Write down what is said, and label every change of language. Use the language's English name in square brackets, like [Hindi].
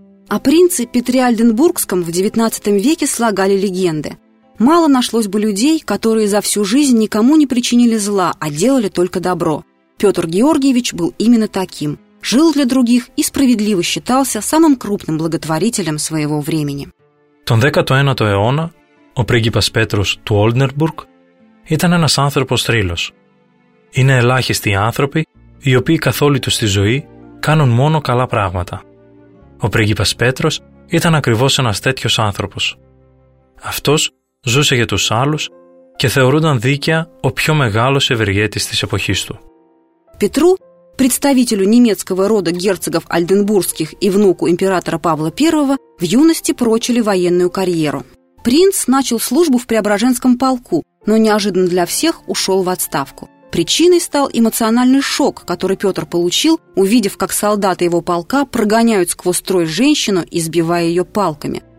[Russian] О принце Петре Альденбургском в XIX веке слагали легенды. Мало нашлось бы людей, которые за всю жизнь никому не причинили зла, а делали только добро. Петр Георгиевич был именно таким. Жил для других и справедливо считался самым крупным благотворителем своего времени. [Greek] Тон 19-го эона ο πρίγκιπας Πέτρος του Ολντενμπουργκ ήταν ένας άνθρωπος τρύλος. Είναι ελάχιστοι οι άνθρωποι οι οποίοι καθ' όλη τους τη ζωή κάνουν μόνο καλά πράγματα. Ο πρίγκιπας Πέτρος ήταν ακριβώς ένας τέτοιος άνθρωπος. Αυτός ζούσε για τους άλλους και θεωρούνταν δίκαια ο πιο μεγάλος ευεργέτης της εποχής του. [Russian] Πετρού, представителю немецкого рода герцогов Альденбургских и внуку императора Павла I, в юности прочили военную карьеру. Принц начал службу в Преображенском полку, но неожиданно для всех ушел в отставку. Причиной стал эмоциональный шок, который Петр получил, увидев, как солдаты его полка прогоняют сквозь строй женщину, избивая ее палками.